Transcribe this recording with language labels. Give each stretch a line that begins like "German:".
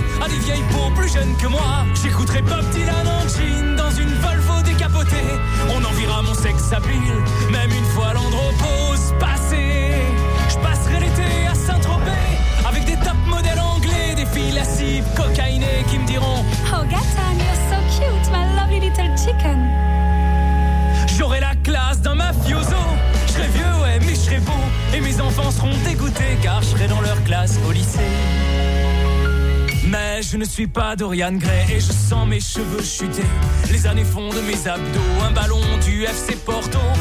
French: Des vieilles peaux plus jeunes que moi. J'écouterai Bob Dylan en jean dans une Volvo décapotée. On enverra mon sexe à pile, même une fois l'andropause passée. Je passerai l'été à Saint-Tropez avec des top modèles anglais, des filles lascives, cocaïnées qui me diront
English: Oh Gatton, you're so cute, my lovely little chicken.
French: J'aurai la classe d'un mafioso. Je serai vieux, ouais, mais je serai beau. Et mes enfants seront dégoûtés car je serai dans leur classe au lycée. Mais je ne suis pas Dorian Gray et je sens mes cheveux chuter. Les années font de mes abdos un ballon du FC Porto.